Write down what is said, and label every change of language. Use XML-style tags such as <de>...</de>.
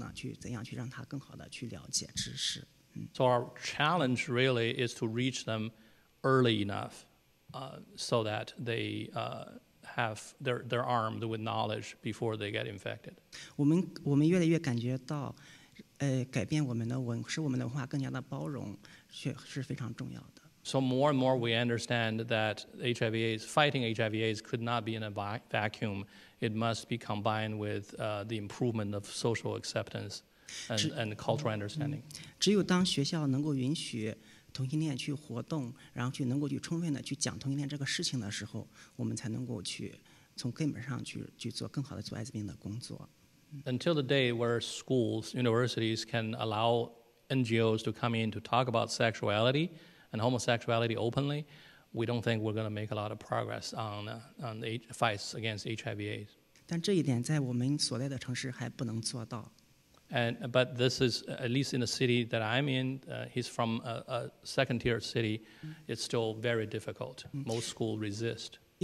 <zh>所以现在对我们来说，我们的工作一个很大的挑战就是我们怎样去使这些年轻人，在他们还没有，就是还没有去感染之前，然后呢，去怎样去让他更好的去了解知识。</zh> <en>So our challenge really is to reach them early enough, so that they have their armed with knowledge before they get infected.</en> <zh>我们越来越感觉到，改变我们的文，使我们的文化更加的包容，是非常重要的。</zh> <en>So more and more we understand that HIV/AIDS, fighting HIV/AIDS could not be in a vacuum. It must be combined with the improvement of social acceptance and cultural understanding.</en> <zh>只有当学校能够允许 同性恋去活动，然后去能够去充分的去讲同性恋这个事情的时候，我们才能够去从根本上去做更好的做艾滋病的工作。</zh> <en>Until the day where schools, universities can allow NGOs to come in to talk about sexuality and homosexuality openly, we don't think we're going to make a lot of progress on the fight against HIV/AIDS.</en> <zh>但这一点在我们所在的城市还不能做到。</zh> <en>But this is, at least in the city that I'm in, he's from a second-tier city, it's still very difficult. Most schools resist.</en>